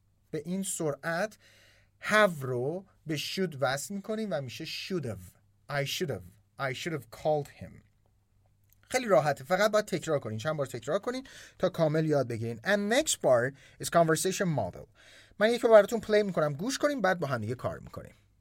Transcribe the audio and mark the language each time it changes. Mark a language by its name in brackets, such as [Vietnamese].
[Persian] به این سرعت have رو به should وصل میکنیم و میشه should have. [English] I should have. I should have called him. [Persian] خیلی راحته. فقط باید تکرار کنین. چند بار تکرار کنین تا کامل یاد بگیرین. [English] And next part is conversation model. [Persian] من یک بار براتون پلی میکنم. گوش کنیم بعد با هم دیگه کار میکنیم.